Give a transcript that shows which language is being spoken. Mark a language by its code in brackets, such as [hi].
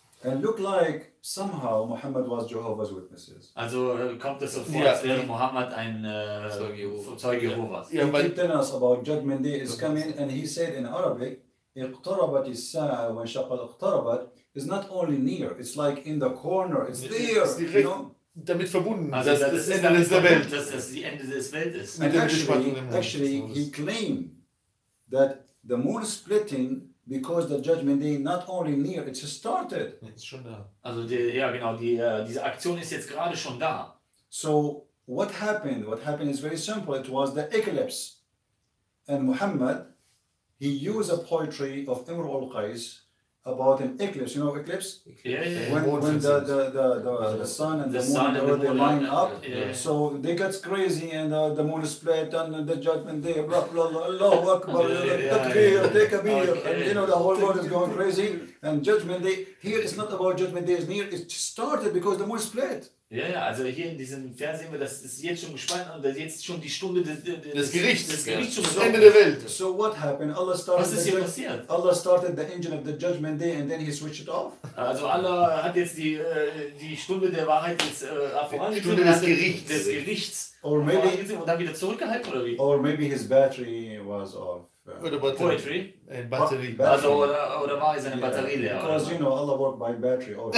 [en] And look like somehow Muhammad was Jehovah's Witnesses. [de] Also kommt es so vor, als wäre Muhammad ein Zeuge Jehovahs. [en] He tell us about judgment day is coming and he said in Arabic, [ar] اقتربت الساعة وانشق القمر. [en] It's not only near, it's like in the corner, it's there, you know? [de] Damit verbunden. Also das Ende des der Welt. Das die Ende des Weltes. [en] Actually, he claimed that the moon splitting because the judgment day not only near, it's started. [de] Jetzt schon da. Also diese Aktion ist jetzt gerade schon da. [en] So, what happened? What happened is very simple. It was the eclipse. And Muhammad, he used a poetry of Umar al-Qais about an eclipse, you know eclipse? When the sun and the moon, and they line up. Yeah. So they get crazy and the moon is split and the judgment day, blah, blah, blah, [ar] Allahu Akbar, takbir, takbir. [en] And you know, the whole world is going crazy. And judgment day, here it's not about judgment day, it's near, it started because the moon is split. [de] Ja, ja, also hier in diesem Vers sehen wir, das ist jetzt schon gespannt und das jetzt schon die Stunde des Gerichts, des Gerichts zum Ende der Welt. [en] So what happened? Allah started. [de] Was ist hier passiert? [en] Allah started the engine of the judgment day and then he switched it off. [de] Also Allah hat jetzt die Stunde der Wahrheit jetzt vorangetrieben. Stunde des Gerichts. Des Gerichts. [en] Or maybe, [de] und dann wieder zurückgehalten oder wie? [en] Or maybe his battery was off. [de] Oder Batterie. [en] Poetry? And battery. [de] Also oder war es eine Batterie leer? [en] Because you know Allah worked by battery.